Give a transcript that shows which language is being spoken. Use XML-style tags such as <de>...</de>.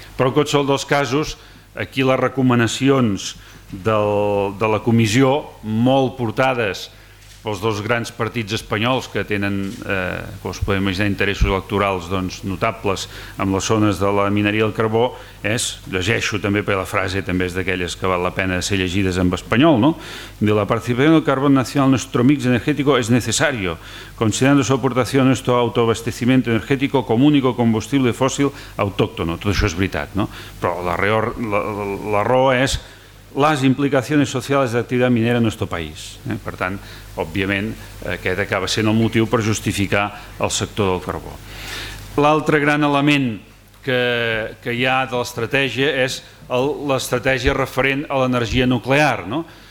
<ca>Però en qualsevol dels casos aquí les recomanacions de la comissió molt portades pels dos grans partits espanyols que tenen, com us podem imaginar, interessos electorals doncs, notables amb les zones de la mineria del carbó, és, llegeixo també per la frase, també és d'aquelles que val la pena ser llegides en espanyol, no?</ca> <es>De la participación del carbón nacional en nuestro mix energético es necesario, considerando su aportación a nuestro autoabastecimiento energético como único combustible fósil autóctono.</es> <ca>Tot això és veritat, no? Però la raó és les implicacions socials d'activitat minera en el nostre país. Per tant, òbviament, aquest acaba sent el motiu per justificar el sector del carbó. L'altre gran element que hi ha de l'estratègia és l'estratègia referent a l'energia nuclear. No?</ca>